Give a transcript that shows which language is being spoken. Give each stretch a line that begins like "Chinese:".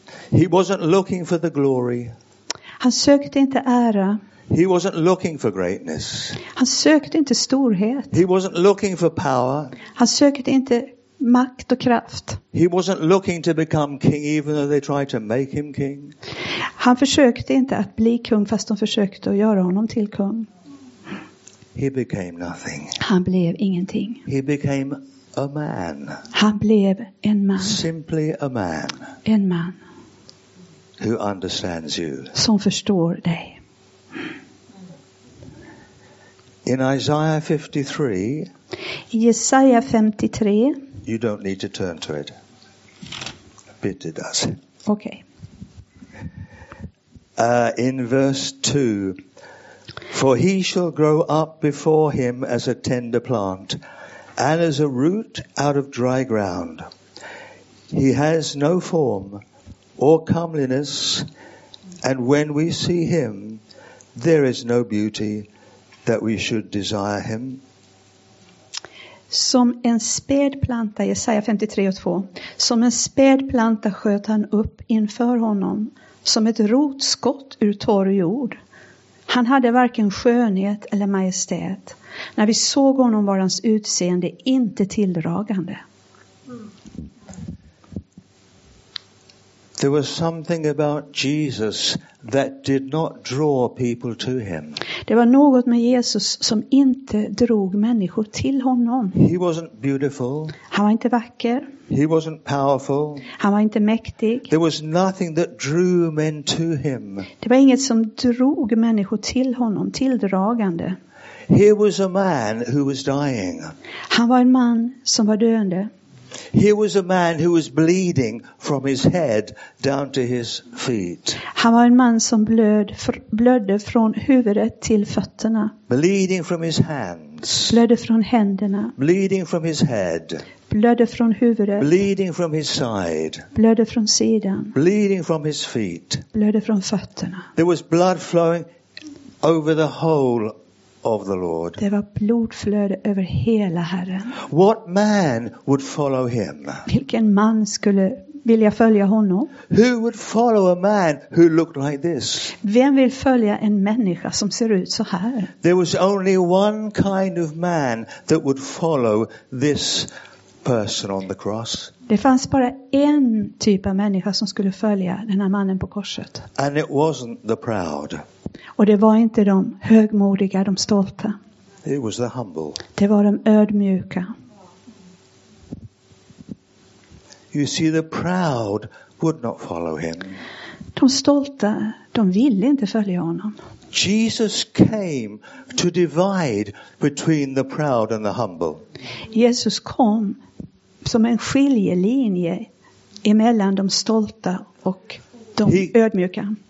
English: He wasn't looking for the glory.
Swedish: Han sökte inte ära.
English: He wasn't looking for greatness.
Swedish: Han sökte inte storhet.
English: He wasn't looking for power.
Swedish: Han sökte inte makt och kraft.
English: He wasn't looking to become king even though they tried to make him king.
Swedish: Han försökte inte att bli kung fast de försökte att göra honom till kung.
English: He became nothing.
Swedish: Han blev ingenting.
English: He became a man.
Swedish: Han blev en man.
English: Simply a man.
Swedish: En man.
English: Who understands you.
Swedish: Som förstår dig.
English: In Isaiah 53.
Swedish: I Jesaja 53.
English: You don't need to turn to it. But it does. Okay. In verse 2. For he shall grow up before him as a tender plant and as a root out of dry ground. He has no form or comeliness, and when we see him, there is no beauty that we should desire him.
Swedish: Som en spädplanta, Jesaja 53:2. Som en spädplanta sköt han upp inför honom, som ett rotskott ur torr jord. Han hade varken skönhet eller majestät. När vi såg honom var hans utseende inte tilldragande.
English: There was something about Jesus that did not draw people to him.
Swedish: Det var något med Jesus som inte drog människor till honom.
English: He wasn't beautiful.
Swedish: Han var inte vacker.
English: He wasn't powerful.
Swedish: Han var inte mäktig.
English: There was nothing that drew men to him.
Swedish: Det var inget som drog människor till honom, tilldragande.
English: Here was a man who was dying.
Swedish: Han var en man som var döende.
English: Here was a man who was bleeding from his head down to his feet.
Swedish: Han var en man som blödde från huvudet till fötterna.
English: Bleeding from his hands.
Swedish: Blödde från händerna.
English: Bleeding from his head.
Swedish: Blödde från huvudet.
English: Bleeding from his side.
Swedish: Blödde från sidan.
English: Bleeding from his feet.
Swedish: Blödde från fötterna.
English: There was blood flowing over the whole of the Lord.
Swedish: Det var blodflöde över hela Herren.
English: What man would follow him?
Swedish: Vilken man skulle vilja följa honom?
English: Who would follow a man who looked like this?
Swedish: Vem vill följa en människa som ser ut så här?
English: There was only one kind of man that would follow this person on the cross.
Swedish: Det fanns bara en typ av människa som skulle följa den här mannen på korset.
English: And it wasn't the proud.
Swedish: Och det var inte de högmodiga, de stolta.
English: It was the humble.
Swedish: Det var de ödmjuka.
English: You see, the proud would not follow him.
Swedish: De stolta, de ville inte följa honom.
English: Jesus came to divide between the proud and the humble.
Swedish: Jesus kom som en skiljelinje emellan de stolta och de ödmjuka.